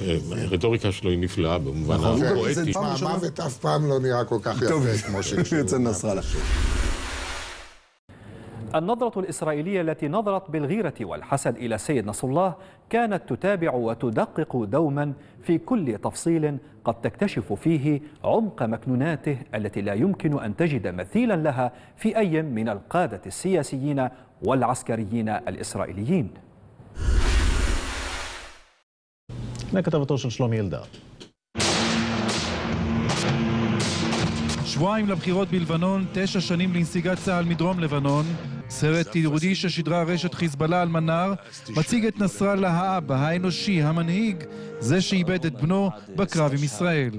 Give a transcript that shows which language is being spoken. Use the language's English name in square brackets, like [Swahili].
[Hebrew] הרטוריקה שלו היא נפלאה במובן הפואטי. המוות אף פעם לא נראה כל כך יפה כמו שיצא נסראללה. [Arabic] النظرة الإسرائيلية التي نظرت بالغيرة والحسد إلى سيد نصر الله كانت تتابع وتدقق دوما في كل تفصيل قد تكتشف فيه عمق مكنوناته التي لا يمكن أن تجد مثيلا لها في أي من القادة السياسيين والعسكريين الإسرائيليين. ما كتبته [Hebrew] شن شلومي إلدار שבועיים לבחירות בלבנון, 9 שנים לנסיגת צהל מדרום לבנון, סרט תיעודי ששידרה רשת חיזבאללה על מנאר, מציג את נסראללה האבא, האנושי, המנהיג, זה שאיבד את בנו בקרב עם ישראל.